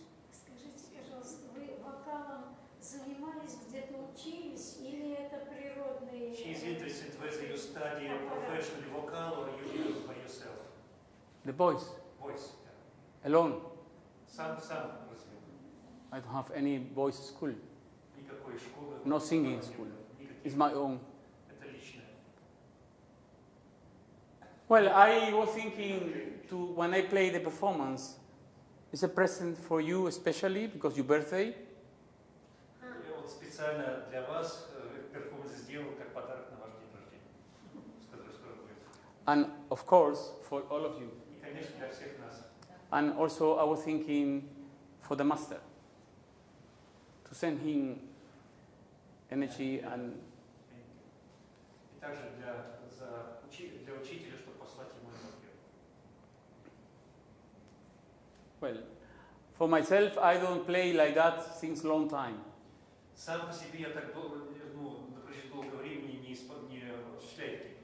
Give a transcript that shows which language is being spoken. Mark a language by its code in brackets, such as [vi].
[ru] Скажите, пожалуйста, вы вокалом занимались, где-то учились, или это природные? [en] She's interested whether you study professional vocal or you do it by yourself. The voice. Voice. Yeah. Alone. Some. I don't have any voice school. [ru] Никакой школы. [en] No singing school. It's my own. [ru] Это личное. [en] Well, I was thinking to when I play the performance. It's a present for you, especially because your birthday. [ru] Я вот специально для вас перформанс сделал как подарок на ваш день рождения. [en] And of course, for all of you. [ru] И конечно для всех нас. [en] And also, I was thinking for the master to send him energy and. [ru] И также для учителя, чтобы послать ему энергию. [en] Well. For myself, I don't play like that since long time. [ru] Сам по себе я так долго, напряжен долгое время, не осуществляю.